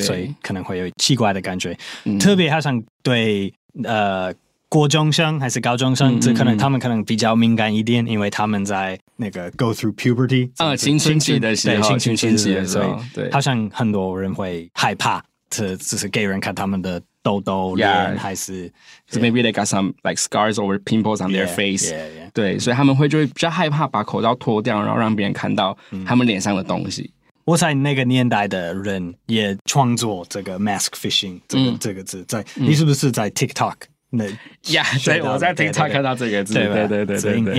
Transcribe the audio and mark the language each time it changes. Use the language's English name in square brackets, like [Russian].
[Chinese] 所以可能会有奇怪的感觉、特别好像对国中生还是高中生，这可能他们可能比较敏感一点，因为他们在那个 [English] go through puberty [Chinese] 青春期的时候，对，青春期的时候，对，好像很多人会害怕只是给人看他们的痘痘脸、还是 [English] so maybe they got some like scars or pimples on their face, yeah, yeah, yeah. [Chinese] 对，所以他们会就会比较害怕把口罩脱掉，然后让别人看到他们脸上的东西。我猜那个年代的人也创作这个 mask fishing 这个字，在你是不是在 TikTok 对，我在 TikTok 看到这个字，对，